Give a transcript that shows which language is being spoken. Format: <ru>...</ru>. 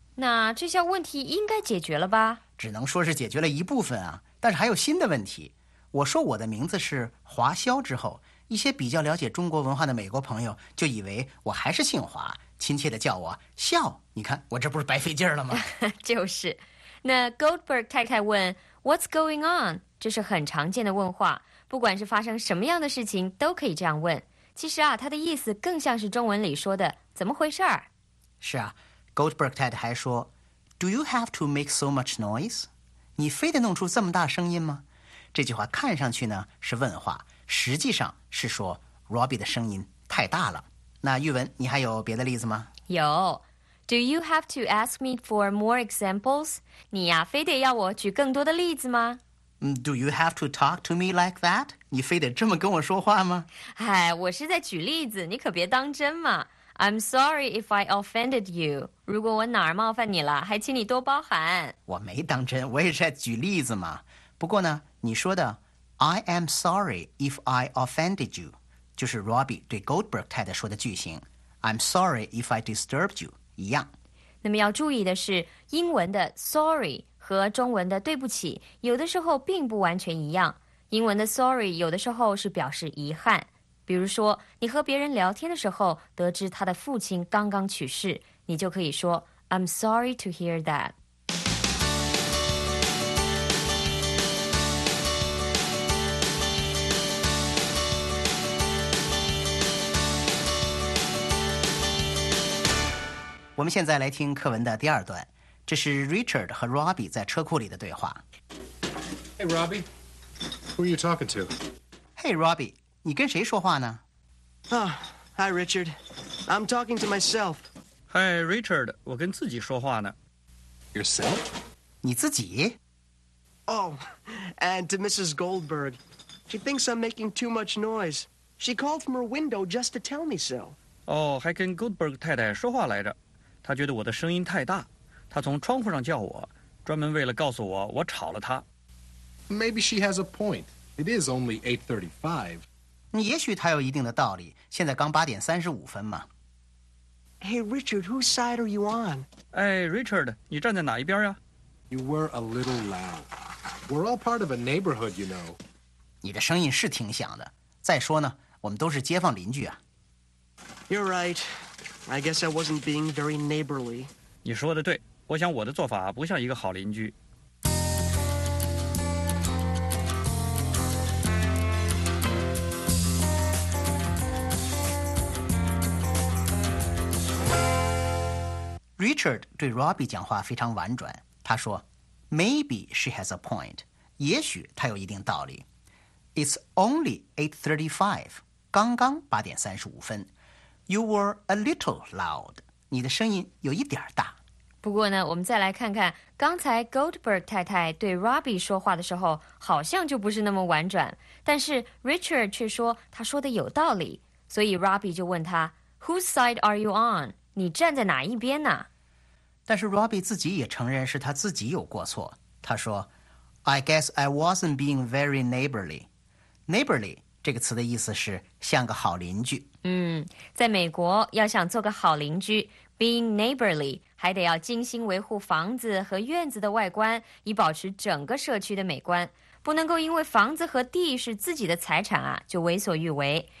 <zh>那这下问题应该解决了吧？只能说是解决了一部分啊，但是还有新的问题。我说我的名字是华笑之后，一些比较了解中国文化的美国朋友就以为我还是姓华，亲切地叫我笑。你看我这不是白费劲了吗？就是。那 Goldberg 太太问</zh> <en>What's going on？</en> <zh>这是很常见的问话，不管是发生什么样的事情都可以这样问。其实啊，他的意思更像是中文里说的怎么回事儿。是啊， Goldberg 太太还说</zh> <en>Do you have to make so much noise?</en> <zh>你非得弄出这么大声音吗？这句话看上去呢是问话，实际上是说 Robbie 的声音太大了。那玉文，你还有别的例子吗？有。</zh> <en>Do you have to ask me for more examples?</en> <zh>你呀，非得要我举更多的例子吗？</zh> <en>Do you have to talk to me like that?</en> <zh>你非得这么跟我说话吗？哎，我是在举例子，你可别当真嘛。</zh> <en>I'm sorry if I offended you.</en> <zh>如果我哪儿冒犯你了，还请你多包涵。我没当真，我也是在举例子嘛。不过呢，你说的</zh> <en>I am sorry if I offended you</en> <zh>就是 Robbie 对 Goldberg 太太说的句型，</zh> <en>I'm sorry if I disturbed you</en> <zh>一样。那么要注意的是，英文的 sorry和中文的对不起有的时候并不完全一样。英文的 sorry 有的时候是表示遗憾，比如说你和别人聊天的时候得知他的父亲刚刚去世，你就可以说</zh> <en>I'm sorry to hear that。</en> <zh>我们现在来听课文的第二段，这是 Richard 和 Robbie 在车库里的对话。</zh> <en>Hey Robbie, who are you talking to? Hey Robbie,</en> <zh>你跟谁说话呢？</zh> <en>Hi, Richard. I'm talking to myself. Hi, Richard.</en> <zh>我跟自己说话呢。</zh> <en>Yourself?</en> <zh>你自己？</zh> <en>Oh, and to Mrs. Goldberg. She thinks I'm making too much noise. She called from her window just to tell me so.</en> <zh>哦，还跟 Goldberg 太太说话来着。她觉得我的声音太大。她从窗户上叫我，专门为了告诉我我吵了她。</zh> <en>Maybe she has a point. It is only 8:35.</en> <zh>你也许他有一定的道理，现在刚8:35嘛。</zh> <en>Hey, Richard, whose side are you on? Hey, Richard,</en> <zh>你站在哪一边呀？</zh> <en>You were a little loud. We're all part of a neighborhood, you know.</en> <zh>你的声音是挺响的。再说呢，我们都是街坊邻居啊。</zh> <en>You're right. I guess I wasn't being very neighborly.</en> <zh>你说的对，我想我的做法不像一个好邻居。 Richard 对 Robbie 讲话非常婉转，他说</zh> <en>Maybe she has a point，</en> <zh>也许她有一定道理。</zh> <en>It's only 8:35，</en> <zh>刚刚8:35。</zh> <en>You were a little loud，</en> <zh>你的声音有一点大。不过呢，我们再来看看刚才 Goldberg 太太对 Robbie 说话的时候好像就不是那么婉转，但是 Richard 却说他说的有道理，所以 Robbie 就问他</zh> <en>Whose side are you on？</en> <zh>你站在哪一边呢？但是 Robbie 自己也承认是他自己有过错。他说</zh> <en>I guess I wasn't being very neighborly.</en> <zh>Neighborly 这个词的意思是像个好邻居。嗯，在美国要想做个好邻居</zh> <en>being neighborly</en> <zh>还得要精心维护房子和院子的外观，以保持整个社区的美观，不能够因为房子和地是自己的财产啊就为所欲为。</zh>